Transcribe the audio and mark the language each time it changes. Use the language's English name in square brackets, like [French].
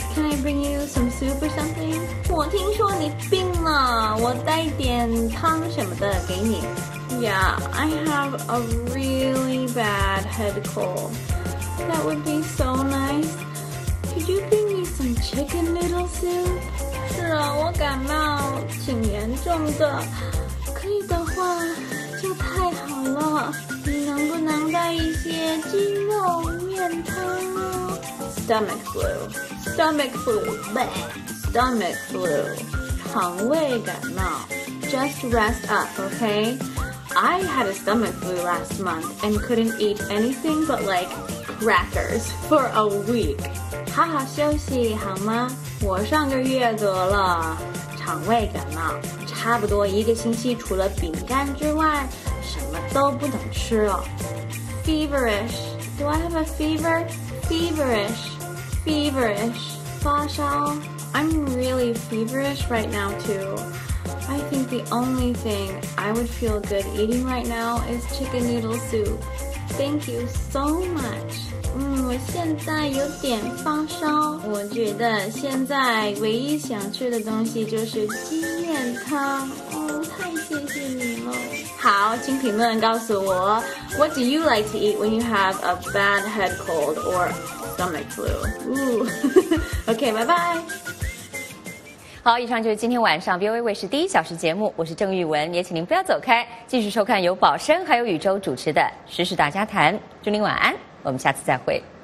[English] Can I bring you some soup or something? [Chinese] 我听说你病了，我带点汤什么的给你。 [English] Yeah, I have a really bad head cold. That would be so nice. Could you bring me some chicken noodle soup? [Chinese] 是啊，我感冒挺严重的，可以的话就太好了。你能不能带一些鸡肉面汤啊？ [English] Stomach flu, stomach flu, bleh, stomach flu, 肠胃感冒 just rest up, okay? I had a stomach flu last month and couldn't eat anything but like crackers for a week. [Chinese] 好好休息好吗？我上个月得了肠胃感冒，差不多一个星期除了饼干之外什么都不能吃了。 [English] Feverish, do I have a fever? Feverish, 发烧。 I'm really feverish right now too. I think the only thing I would feel good eating right now is chicken noodle soup. Thank you so much. [Chinese] 我现在有点发烧，我觉得现在唯一想吃的东西就是鸡面汤。哦，太谢谢你了。好，请评论告诉我 [English] What do you like to eat when you have a bad head cold or stomach flu? OK, bye bye. [Chinese] 好，以上就是今天晚上 VOA 卫视第一小时节目，我是郑玉文，也请您不要走开，继续收看由宝生还有宇宙主持的时事大家谈。祝您晚安，我们下次再会。